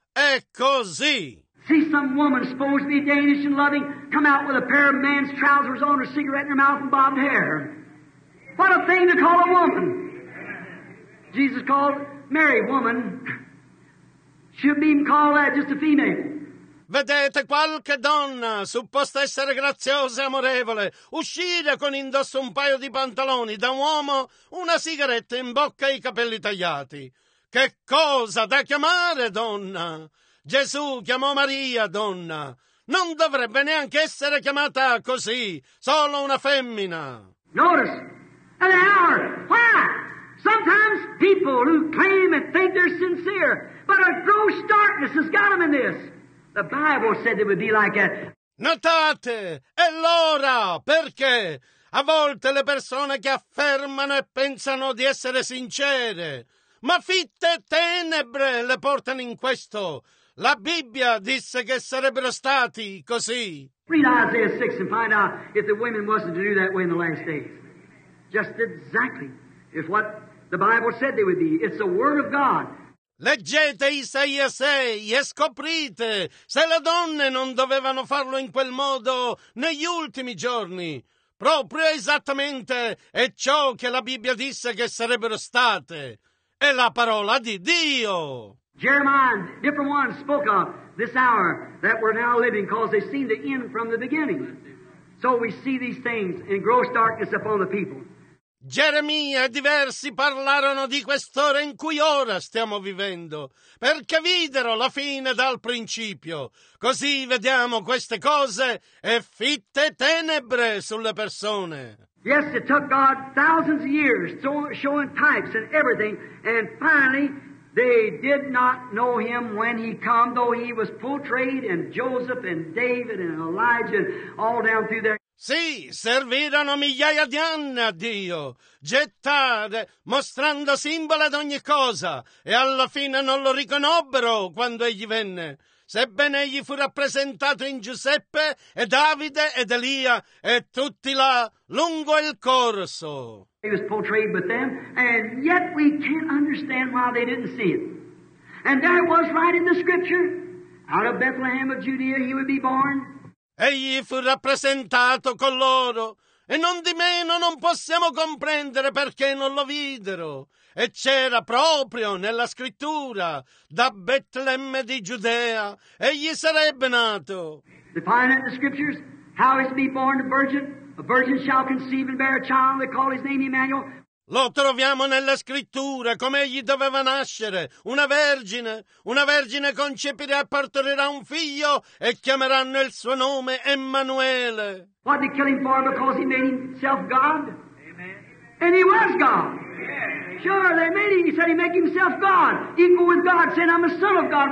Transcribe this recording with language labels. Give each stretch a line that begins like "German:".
Italian: È così!
English: See some woman supposed to be Danish and loving come out with a pair of man's trousers on, a cigarette in her mouth and bobbed hair. What a thing to call a woman! Jesus called Mary woman. Shouldn't even call that, just a female.
Italian: Vedete qualche donna, supposta essere graziosa e amorevole, uscire con indosso un paio di pantaloni da uomo, una sigaretta in bocca e i capelli tagliati. Che cosa da chiamare donna? Gesù chiamò Maria donna. Non dovrebbe neanche essere chiamata così, solo una femmina.
English: Notice, an hour, why? Sometimes people who claim and think they're sincere, but a gross darkness has got them in this. The Bible said it would be like that.
Italian: Notate, e allora, perché? A volte le persone che affermano e pensano di essere sincere, ma fitte tenebre le portano in questo. La Bibbia disse che sarebbero stati così.
English: Read Isaiah 6 and find out if the women wasn't to do that way in the last days. Just exactly if what the Bible said they would be. It's the Word of God.
Italian: Leggete Isaia 6 e scoprite se le donne non dovevano farlo in quel modo negli ultimi giorni. Proprio esattamente è ciò che la Bibbia disse che sarebbero state. È la parola di Dio.
English: Jeremiah, different ones spoke of this hour that we're now living because they've seen the end from the beginning. So we see these things in gross darkness upon the people.
Italian: Geremia e diversi parlarono di quest'ora in cui ora stiamo vivendo, perché videro la fine dal principio. Così vediamo queste cose e fitte tenebre sulle persone.
English: Yes, it took God thousands of years showing types and everything, and finally they did not know him when he came, though he was portrayed in Joseph and David and Elijah and all down through there.
Italian: Sì, servirono migliaia di anni a Dio, gettare, mostrando simbolo ad ogni cosa, e alla fine non lo riconobbero quando egli venne, sebbene egli fu rappresentato in Giuseppe e Davide ed Elia e tutti là lungo il corso.
English: He was portrayed with them, and yet we can't understand why they didn't see it. And there was right in the scripture, out of Bethlehem of Judea he would be born.
Italian: Egli fu rappresentato con loro, e non di meno non possiamo comprendere perché non lo videro. E c'era proprio nella scrittura, da Betlemme di Giudea, egli sarebbe nato.
English: Define in the scriptures how is to be born a virgin. A virgin shall conceive and bear a child, they call his name Emmanuel.
Italian: Lo troviamo nelle scritture, come egli doveva nascere, una vergine concepirà e partorirà un figlio e chiameranno il suo nome Emmanuele.
English: What did he kill him for? Because he made himself God? Amen. And he was God. Amen. Sure, they made him, he said he made himself God, equal with God, saying I'm a son of God.